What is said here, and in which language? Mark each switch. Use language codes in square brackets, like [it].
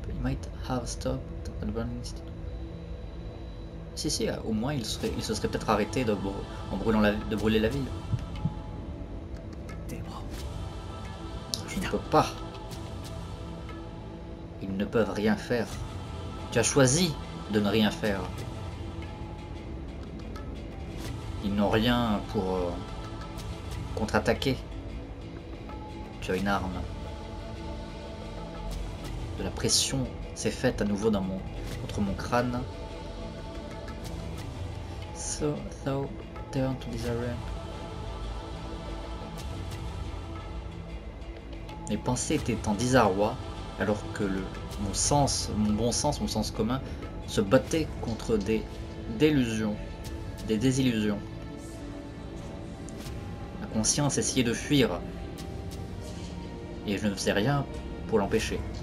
[en] He might have stopped at burning. [fr] Si, au moins il se serait peut-être arrêté de brûler la ville. Je ne peux pas. Ils ne peuvent rien faire. Tu as choisi de ne rien faire. Ils n'ont rien pour contre-attaquer. Tu as une arme. De la pression s'est faite à nouveau contre mon crâne. [en] So thou turn to disarray. [fr] Mes pensées étaient en désarroi alors que mon bon sens commun se battait contre des délusions, des désillusions. Ma conscience essayait de fuir et je ne faisais rien pour l'empêcher.